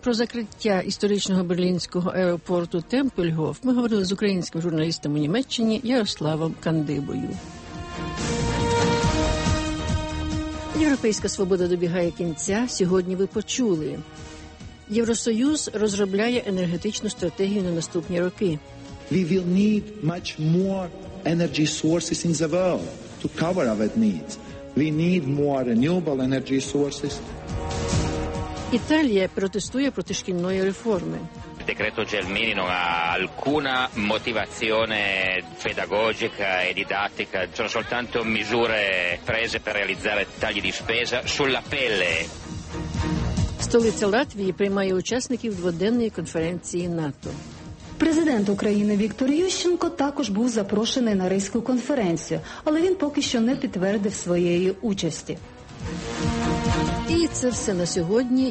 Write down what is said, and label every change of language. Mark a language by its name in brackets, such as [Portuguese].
[Ukrainian] Про закриття історичного берлінського аеропорту Темпельгоф ми говорили з українським журналістом у Німеччині Ярославом Кандибою. Європейська свобода добігає кінця. Сьогодні ви почули. Євросоюз розробляє енергетичну стратегію на наступні роки. [English] We will need much more energy sources in the world to cover our needs. We need more renewable energy sources. [Ukrainian] Італія протестує проти шкільної реформи. [Italian] Decreto Gelmini non ha alcuna motivazione pedagogica e didattica, sono soltanto misure prese per realizzare tagli di spesa sulla pelle. [Ukrainian] Столиця Латвії приймає учасників дводенної конференції НАТО. Президент України Віктор Ющенко також був запрошений на Ризьку конференцію, але він поки що не підтвердив своєї участі. І це все на сьогодні.